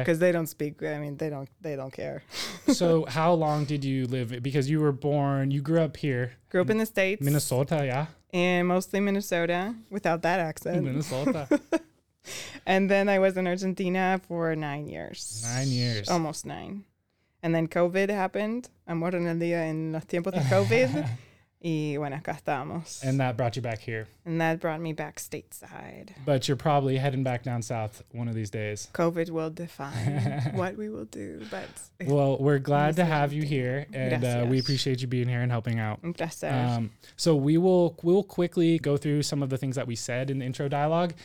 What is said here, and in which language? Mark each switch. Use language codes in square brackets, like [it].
[en] Because they don't speak, I mean, they don't care. So how long did you live, because you were born, you grew up here. Grew up in the States. Minnesota, yeah. And mostly Minnesota, without that accent. Minnesota. And then I was in Argentina for 9 years. 9 years. Almost nine. And then COVID happened. [es] Amor en el día en los tiempos de COVID. Y bueno, acá estamos. [en] And that brought you back here. And that brought me back stateside. But you're probably heading back down south one of these days. COVID will define what we will do. But well, we're glad to have you here. And we appreciate you being here and helping out. So we'll quickly go through some of the things that we said in the intro dialogue.